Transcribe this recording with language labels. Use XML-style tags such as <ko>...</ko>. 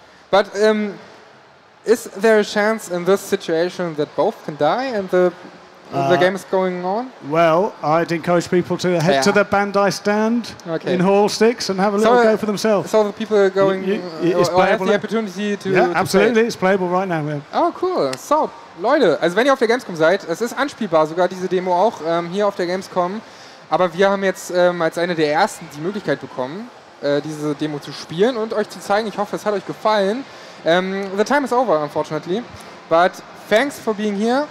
<en>But, is there a chance in this situation that both can die and the game is going on? Well, I'd encourage people to head to the Bandai stand in Hall 6 and have a little go for themselves. So the people are going have the opportunity to play. Yeah, absolutely. It's playable right now. Yeah. Oh, cool.</en> <de>So, Leute, also wenn ihr auf der Gamescom seid, es ist anspielbar, sogar diese Demo auch hier auf der Gamescom. Aber wir haben jetzt als eine der Ersten die Möglichkeit bekommen, diese Demo zu spielen und euch zu zeigen. Ich hoffe, es hat euch gefallen.</de> <en>The time is over, unfortunately, but thanks for being here.</en>